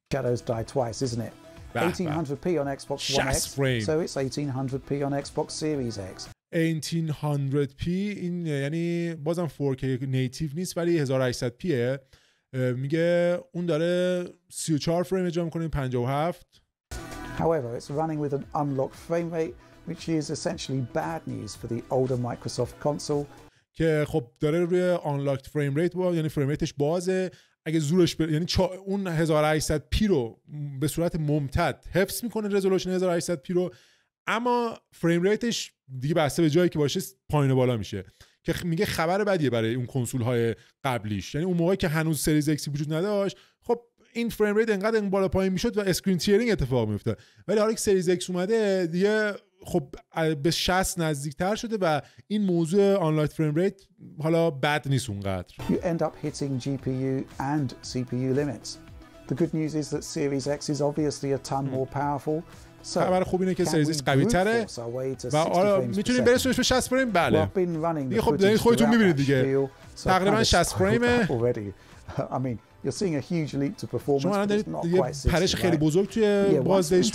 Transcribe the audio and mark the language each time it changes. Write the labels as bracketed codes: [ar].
[en] Shadows Die Twice, isn't it? 1800p on Xbox One X. [fa] 60 فریم. [en] So it's 1800p on Xbox Series X. [fa] 1800p این یعنی بازم 4K نیتیو نیست ولی 1800p میگه اون داره 34 فریم اجرا میکنه، 57. [en] However, it's running with an unlocked frame rate, which is essentially bad news for the older Microsoft console. [fa] که خب داره روی [en] unlocked frame rate [fa] با، یعنی فریم ریتش بازه. اگه زورش بره یعنی اون 1800p رو به صورت ممتد حفظ میکنه رزولوشن 1800p رو، اما فریم ریتش دیگه بسته به جایی که باشه پایین و بالا میشه، که میگه خبر بدیه برای اون کنسول های قبلیش. یعنی اون موقعی که هنوز سریز ایکس وجود نداشت، خب این فریم ریت انقدر این بالا پایین میشد و اسکرین تیرینگ اتفاق میفته، ولی حالا که سریز ایکس اومده دیگه خب به 60 نزدیکتر شده و این موضوع آنلاین فریم ریت حالا بد نیست اونقدر. [en] You end up hitting GPU and CPU limits. The good news is that Series X is obviously a ton more powerful. [fa] خبر خوب اینه که سریز ایکس قوی تره و آره میتونیم برسونیم به 60 فریم. بله دیگه، خب دارید خودتون میبینید دیگه، تقریبا 60 فریمه. شما الان دارید یه پرش خیلی بزرگ توی بازدهیش